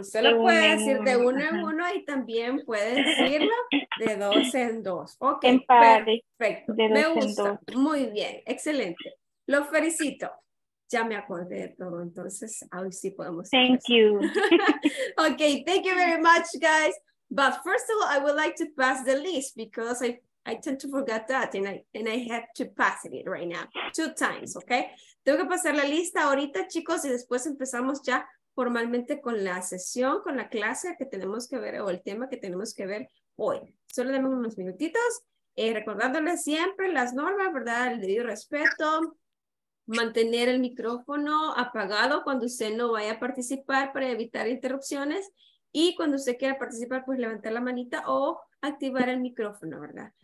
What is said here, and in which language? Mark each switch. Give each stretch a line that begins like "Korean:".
Spanish: Usted lo puede decir de uno en uno y también puede decirlo de dos en dos. Ok, perfecto. Me gusta. Muy bien, excelente. Lo felicito. Ya me acordé de todo, entonces hoy sí podemos.
English: Thank you. Ok, thank you very much, guys. But first of all, I would like to pass the list because I tend to forget that and I have to pass it right now, 2 times, okay?
Spanish: Tengo que pasar la lista ahorita, chicos, y después empezamos ya formalmente con la sesión, con la clase que tenemos que ver o el tema que tenemos que ver hoy. Solo denme unos minutitos, recordándoles siempre las normas, ¿verdad? El debido respeto, mantener el micrófono apagado cuando usted no vaya a participar para evitar interrupciones y cuando usted quiera participar, pues levantar la manita o activar el micrófono, ¿verdad?